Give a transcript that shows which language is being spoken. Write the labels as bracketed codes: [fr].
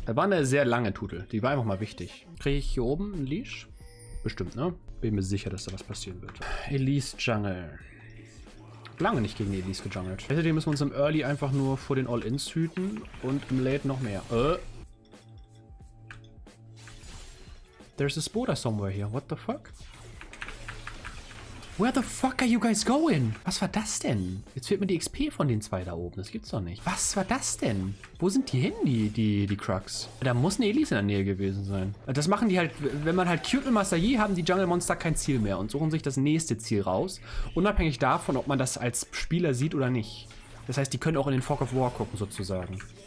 [de] Da war eine sehr lange Tootle. Die war einfach mal wichtig. Kriege ich hier oben ein Leash? Bestimmt, ne? Bin mir sicher, dass da was passieren wird. Elise Jungle. Lange nicht gegen Elise gejungelt. Außerdem müssen wir uns im Early einfach nur vor den All-Ins hüten und im Late noch mehr. [en] There's a Spoda somewhere here. What the fuck? Where the fuck are you guys going? [de] Was war das denn? Jetzt fehlt mir die XP von den zwei da oben. Das gibt's doch nicht. Was war das denn? Wo sind die hin, die Crux? Da muss eine Elise in der Nähe gewesen sein. Das machen die halt, wenn man halt Cute und Master Yi, haben die Jungle Monster kein Ziel mehr und suchen sich das nächste Ziel raus. Unabhängig davon, ob man das als Spieler sieht oder nicht. Das heißt, die können auch in den Fog of War gucken, sozusagen.